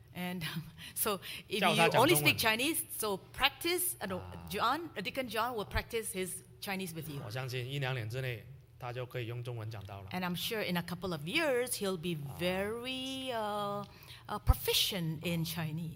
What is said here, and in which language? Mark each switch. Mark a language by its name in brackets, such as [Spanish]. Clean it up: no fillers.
[English] And so if you only speak Chinese, so practice, John, Deacon John will practice his Chinese with you. [Chinese] 我相信一两年之内，他就可以用中文讲道了。 [English] And I'm sure in a couple of years, he'll be very proficient in Chinese.